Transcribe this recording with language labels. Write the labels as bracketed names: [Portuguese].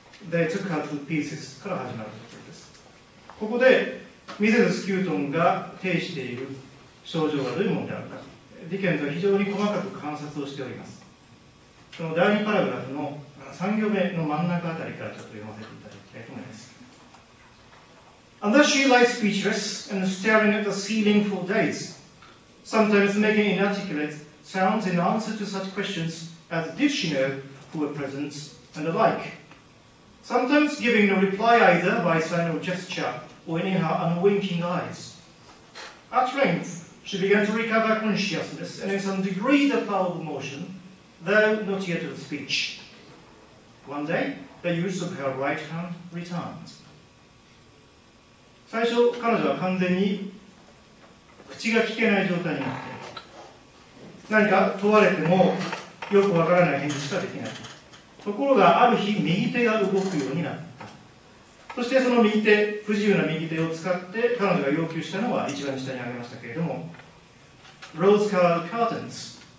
[English] They took her to pieces [Japanese] から始まるところです。ここで、ミセス・スキュートンが呈している症状がどういうものであるか、ディケンズは非常に細かく観察をしております。その第2パラグラフの3行目の真ん中あたりからちょっと読ませていただきたいと思います。 [English] And thus she lies speechless and staring at the ceiling for days, sometimes making inarticulate sounds in answer to such questions as did she know who were present and the like, sometimes giving no reply either by sign or gesture or in her unwinking eyes. At length, she began to recover consciousness and in some degree the power of motion, though not yet of speech. One day, the use of her right hand returned. [Japanese] 最初、彼女は完全に口が聞けない状態になって、何か問われてもよくわからない返事しかできない。ところがある日、右手が動くようになった。そしてその右手、不自由な右手を使って彼女が要求したのは一番下に挙げましたけれども、 [English] Rose Colored Curtains。